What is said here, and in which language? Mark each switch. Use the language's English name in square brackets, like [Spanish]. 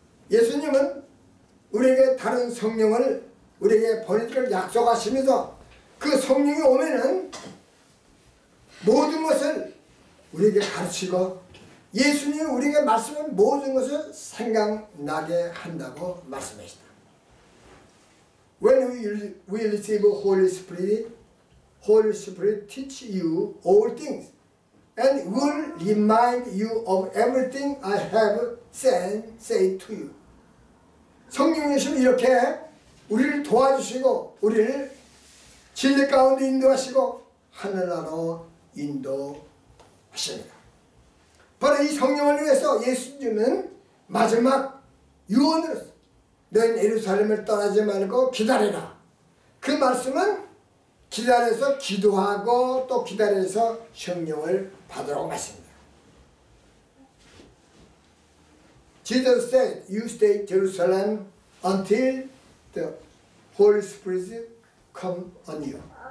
[Korean] 예수님은 우리에게 다른 성령을 우리에게 보내줄 약속하시면서 그 성령이 오면은 모든 것을 우리에게 가르치고 예수님이 우리에게 말씀한 모든 것을 생각나게 한다고 말씀하셨다. [English] When we receive Holy Spirit, Holy Spirit teach you all things and will remind you of everything I have said to you. [Korean] 성령님은 이렇게 우리를 도와주시고 우리를 진리 가운데 인도하시고 하늘나라로 인도하십니다. 바로 이 성령을 위해서 예수님은 마지막 유언으로 넌 예루살렘을 떠나지 말고 기다리라. 그 말씀은 기다려서 기도하고 또 기다려서 성령을 받으라고 말씀합니다. [English] Jesus said, you stay in Jerusalem until the Holy Spirit come on you.